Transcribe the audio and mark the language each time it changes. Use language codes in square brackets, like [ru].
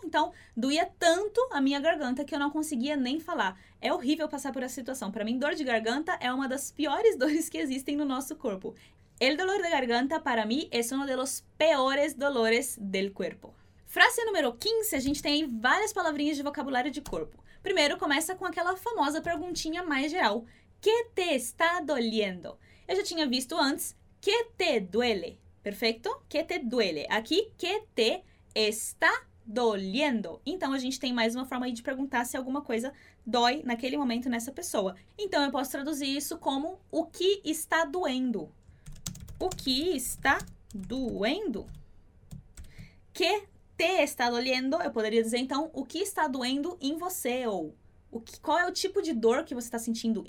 [pt] Então, doía tanto a minha garganta que eu não conseguia nem falar. É horrível passar por essa situação. Para mim, dor de garganta é uma das piores dores que existem no nosso corpo. [es] El dolor de garganta, para mim, es uno de los peores dolores del cuerpo. [pt] Frase número 15, a gente tem aí várias palavrinhas de vocabulário de corpo. Primeiro, começa com aquela famosa perguntinha mais geral. [es] ¿Qué te está doliendo? [pt] Eu já tinha visto antes, [es] ¿qué te duele? [pt] Perfeito? [es] ¿Qué te duele? Aqui, ¿qué te está doliendo? [pt] Então, a gente tem mais uma forma aí de perguntar se alguma coisa dói naquele momento nessa pessoa. Então, eu posso traduzir isso como o que está doendo? O que está doendo? [es] Que te está doliendo? [pt] Eu poderia dizer, então, o que está doendo em você? Ou qual é o tipo de dor que você está sentindo?